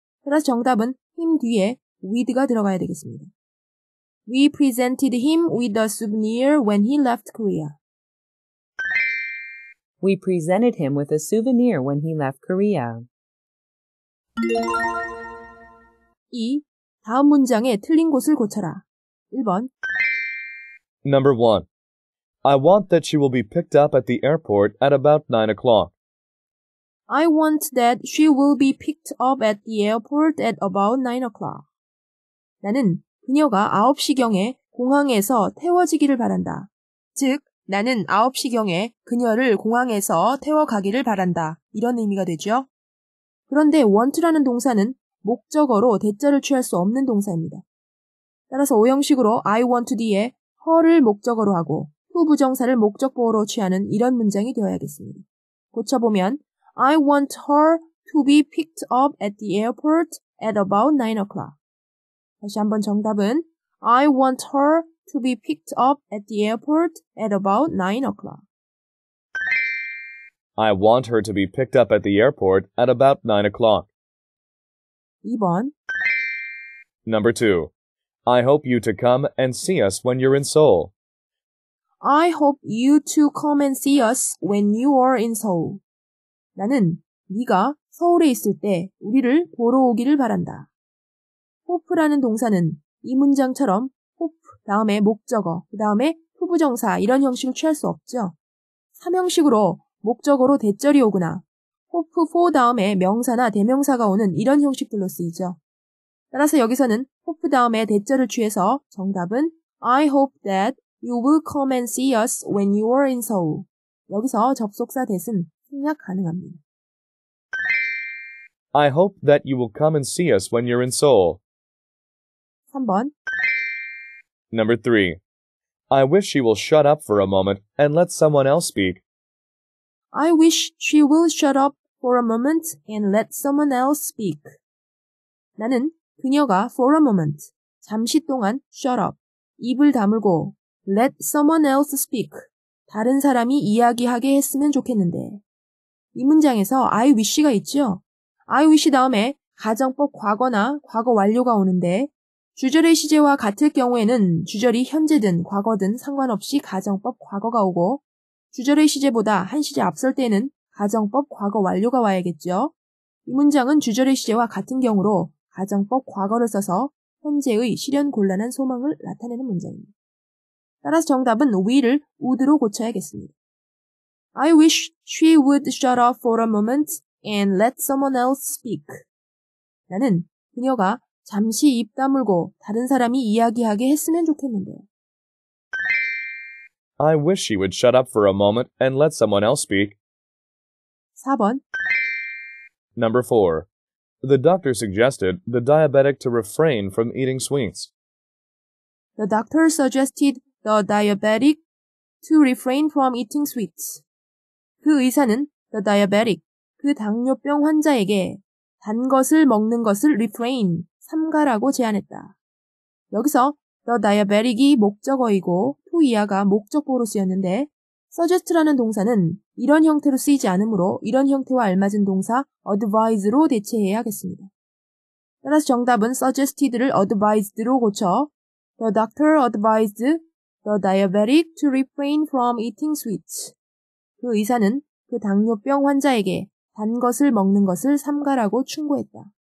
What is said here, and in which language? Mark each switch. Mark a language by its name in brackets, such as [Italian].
[Korean] 따라서 정답은 him 뒤에 with가 들어가야 되겠습니다. [English] We presented him with a souvenir when he left Korea. We presented him with a souvenir when he left Korea. 2. [Korean] 다음 문장의 틀린 곳을 고쳐라. 1번 [English] Number 1. I want that she will be picked up at the airport at about 9 o'clock. I want that she will be picked up at the airport at about 9 o'clock. [Korean] 나는 그녀가 9시경에 공항에서 태워지기를 바란다. 즉, 나는 9시경에 그녀를 공항에서 태워가기를 바란다. 이런 의미가 되죠. 그런데 want라는 동사는 목적어로 대자를 취할 수 없는 동사입니다. 따라서 오형식으로 I want 뒤에 her를 목적어로 하고 to 부정사를 목적 보호로 취하는 이런 문장이 되어야겠습니다. 고쳐보면 [English] I want her to be picked up at the airport at about 9 o'clock. [Korean] 다시 한번 정답은 [English] I want her to be picked up at the airport at about 9 o'clock. I want her to be picked up at the airport at about 9 o'clock. [Korean] 2번 [English] Number 2. I hope you to come and see us when you're in Seoul. I hope you to come and see us when you are in Seoul. [Korean] 나는 네가 서울에 있을 때 우리를 보러 오기를 바란다. hope라는 동사는 이 문장처럼 hope 다음에 목적어, 그 다음에 to 부정사 이런 형식을 취할 수 없죠. 3형식으로 목적어로 대절이 오거나 hope for 다음에 명사나 대명사가 오는 이런 형식들로 쓰이죠. 따라서 여기서는 hope 다음에 대절을 취해서 정답은 [English] I hope that you will come and see us when you are in Seoul. [Korean] 여기서 접속사 대신 생략 가능합니다. [English] I hope that you will come and see us when you're in Seoul. [Korean] 3번 [English] Number 3. I wish she will shut up for a moment and let someone else speak. I wish she will shut up for a moment and let someone else speak. [Korean] 나는 그녀가 [English] for a moment, [Korean] 잠시 동안 [English] shut up, [Korean] 입을 다물고 [English] let someone else speak, [Korean] 다른 사람이 이야기하게 했으면 좋겠는데. 이 문장에서 I wish가 있죠. I wish 다음에 가정법 과거나 과거 완료가 오는데 주절의 시제와 같을 경우에는 주절이 현재든 과거든 상관없이 가정법 과거가 오고 주절의 시제보다 한 시제 앞설 때는 가정법 과거 완료가 와야겠죠. 이 문장은 주절의 시제와 같은 경우로 가정법 과거를 써서 현재의 실현 곤란한 소망을 나타내는 문장입니다. 따라서 정답은 will을 would로 고쳐야겠습니다. [English] I wish she would shut up for a moment and let someone else speak. [Korean] 나는 그녀가 잠시 입 다물고 다른 사람이 이야기하게 했으면 좋겠는데요. [English] I wish she would shut up for a moment and let someone else speak. [Korean] 4번 [English] Number 4. The doctor suggested the diabetic to refrain from eating sweets. The doctor suggested the diabetic to refrain from eating sweets. [Korean] 그 의사는 the diabetic, 그 당뇨병 환자에게 단 것을 먹는 것을 refrain, 삼가라고 제안했다. 여기서 the diabetic이 목적어이고 to 이하가 목적보로 쓰였는데 suggest라는 동사는 이런 형태로 쓰이지 않으므로 이런 형태와 알맞은 동사 advised로 대체해야겠습니다. 따라서 정답은 suggested를 advised로 고쳐 [English] the doctor advised the diabetic to refrain from eating sweets. [Korean] 그 의사는 그 당뇨병 환자에게 단 것을 먹는 것을 삼가라고 충고했다.